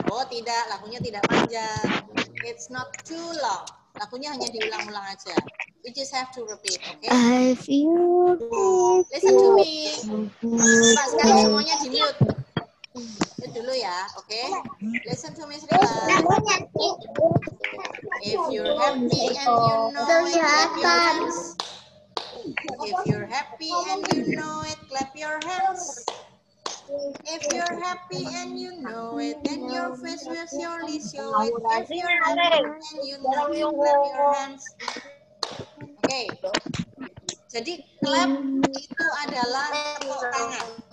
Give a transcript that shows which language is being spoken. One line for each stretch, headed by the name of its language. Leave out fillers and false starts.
Indonesian: Oh tidak, lagunya tidak panjang.
English: It's not too long.
Indonesian: Lagunya hanya diulang-ulang aja.
English: We just have to repeat, okay? I feel. Listen to me.
Indonesian: Mas, sekarang semuanya di mute. Dulu ya,
English: okay? Listen to me, Sri. If you're happy and you know it, clap your hands. If you're happy and you know it, clap your hands. If you're happy and you know it, then your face will surely show it. If you're happy and you know it, clap your hands. Okay.
Indonesian: Jadi clap itu adalah tepuk tangan.